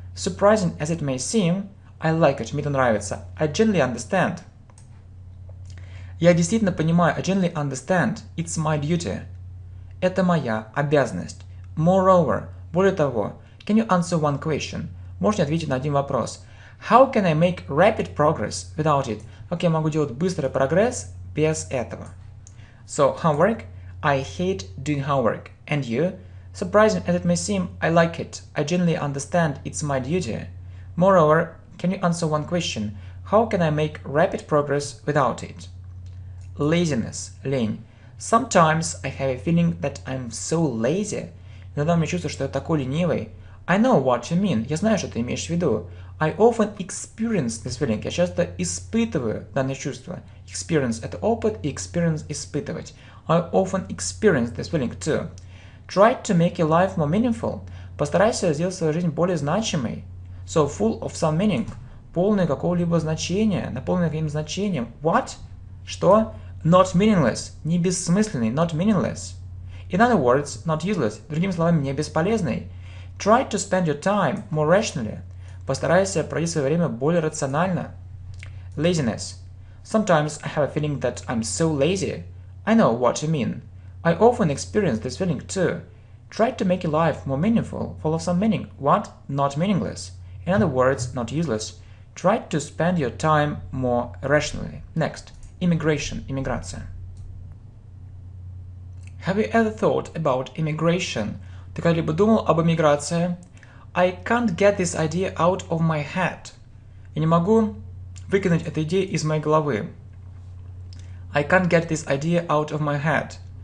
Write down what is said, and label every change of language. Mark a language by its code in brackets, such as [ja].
[en] Surprising as it may seem. I like it. [ru] Мне это нравится. [en] I generally understand. [ru] Я действительно понимаю. [en] I generally understand. It's my duty. [ru] Это моя обязанность. [en] Moreover, [ru] более того, [en] can you answer one question? [ru] Можешь мне ответить на один вопрос? [en] How can I make rapid progress without it? [ru] Как я могу делать быстрый прогресс без этого? [en] So, homework. I hate doing homework. And you? Surprising as it may seem, I like it. I generally understand it's my duty. Moreover, can you answer one question? How can I make rapid progress without it? Laziness. Лень. Sometimes I have a feeling that I'm so lazy. [ru] Иногда мне чувствую, что я такой ленивый. [en] I know what you mean. [ru] Я знаю, что ты имеешь в виду. [en] I often experience this feeling. [ru] Я часто испытываю данное чувство. [en] Experience – [ru] это опыт, [en] и experience – [ru] испытывать. [en] I often experience this feeling too. Try to make your life more meaningful. [ru] Постарайся сделать свою жизнь более значимой. [en] So full of some meaning. [ru] Полное какого-либо значения, наполненное каким-то значением. [en] What? Что? Not meaningless. [ru] Не бессмысленный. [en] Not meaningless. In other words, not useless. [ru] Другими словами, не бесполезный. [en] Try to spend your time more rationally. [ru] Постарайся провести свое время более рационально. [en] Laziness. Sometimes I have a feeling that I'm so lazy. I know what you mean. I often experience this feeling too. Try to make your life more meaningful, full of some meaning. What? Not meaningless. In other words, not useless. Try to spend your time more rationally. Next. Immigration. Иммиграция. Have you ever thought about immigration? [ru] Ты когда-либо думал об эмиграции? [en] I can't get this idea out of my head. [ru] Я не могу выкинуть эту идею из моей головы. [en] I can't get this idea out of my head.